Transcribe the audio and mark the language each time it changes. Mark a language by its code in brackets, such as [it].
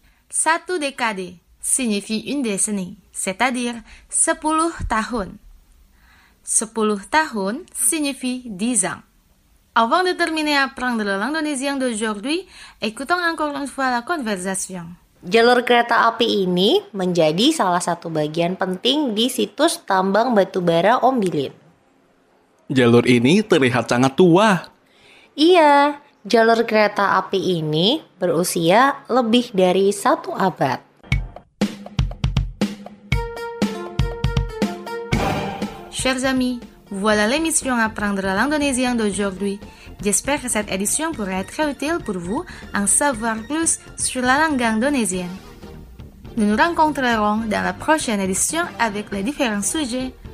[fr] Satu décadé signifie une décennie, c'est-à-dire [id] 10 tahun. 10 tahun [fr] signifie 10 ans. Avant de terminer apprendre le l'indonésien d'aujourd'hui, écoutons encore une fois la conversation. [id] Jalur kereta api ini menjadi salah satu bagian penting di situs tambang batubara Ombilin. Jalur ini terlihat sangat tua. Iya, jalur kereta api ini berusia lebih dari satu abad. [fr] Chers amis, voilà l'émission Apprendre la langue indonésienne d'aujourd'hui. J'espère que cette édition pourra être utile pour vous en savoir plus sur la langue indonésienne. Nous nous rencontrerons dans la prochaine édition avec les différents sujets.